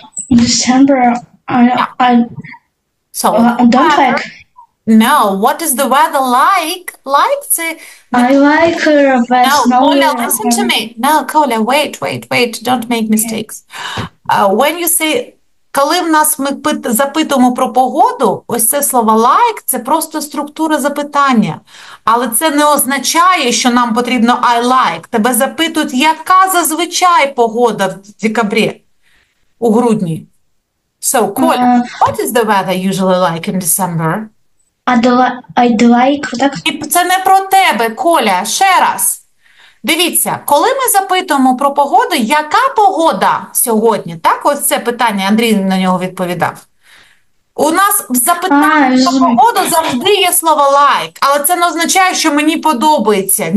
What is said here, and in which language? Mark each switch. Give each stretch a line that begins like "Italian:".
English: In December, I don't like... No, what is the weather like? Listen to me. No, Коля, wait. Don't make mistakes. When you say
Ukrainian: Коли в нас ми запитуємо про погоду, ось це слово like – це просто структура запитання. Але це не означає, що нам потрібно
English: I like.
Ukrainian: Тебе запитують, яка зазвичай погода в декабрі, у грудні.
English: So, Коля, what is the weather usually like in December? I'd like, так?
Ukrainian: І це не про тебе, Коля, ще раз. Дивіться, коли ми запитуємо про погоду, яка погода сьогодні, так? Ось це питання, Андрій на нього відповідав. У нас в запитанні про погоду завжди є слово like, але це не означає, що мені подобається.